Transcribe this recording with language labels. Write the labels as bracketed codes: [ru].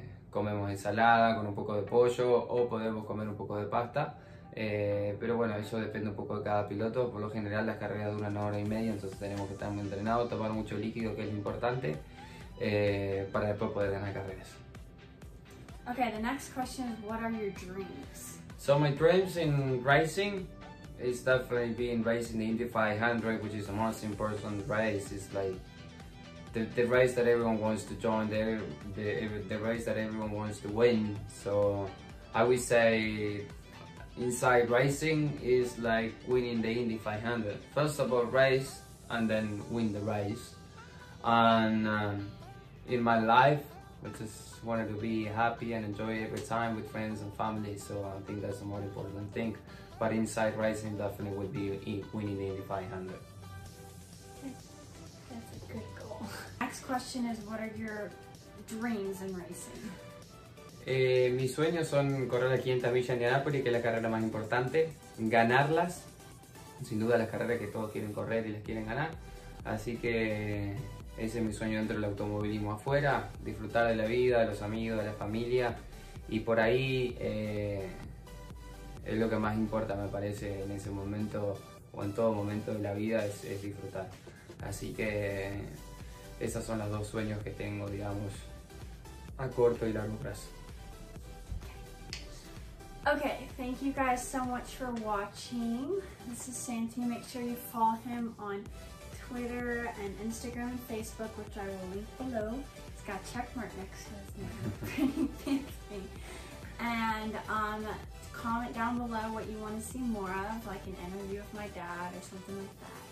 [es] Comemos ensalada con un poco de pollo o podemos comer un poco de pasta. Pero bueno, eso depende un poco de cada piloto. Por lo general las carreras duran 1 hora y media, entonces tenemos que estar muy entrenados, tomar mucho líquido, que es importante, para después poder ganar carreras. [en] Okay, the next question is, what are your dreams? So my dreams in racing is definitely being racing the Indy 500, which is the most important race. It's like the race that everyone wants to join, the race that everyone wants to win. So I would say inside racing is like winning the Indy 500. First of all, race, and then win the race. And in my life, I just wanted to be happy and enjoy every time with friends and family. So I think that's the more important thing. But inside racing definitely would be winning the Indy 500. That's a good goal. Next question is, what are your dreams in racing? [es] Mis sueños son correr la 500 millas en Indianápolis, que es la carrera más importante, ganarlas, sin duda las carreras que todos quieren correr y les quieren ganar, así que ese es mi sueño dentro del automovilismo, afuera, disfrutar de la vida, de los amigos, de la familia, y por ahí es lo que más importa, me parece, en ese momento o en todo momento de la vida, es disfrutar, así que esos son los dos sueños que tengo, digamos, a corto y largo plazo. [en] Okay, thank you guys so much for watching. This is Santi. Make sure you follow him on Twitter and Instagram and Facebook, which I will link below. He's got a check mark next to his name. Pretty fancy. And comment down below what you want to see more of, like an interview with my dad or something like that.